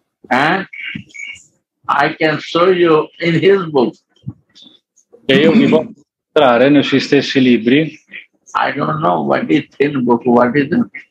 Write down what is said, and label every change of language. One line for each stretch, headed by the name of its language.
English: And I can show you in his book.
Italian: E io vi posso mostrare nei suoi stessi libri.
English: I don't know what is his book, what is it?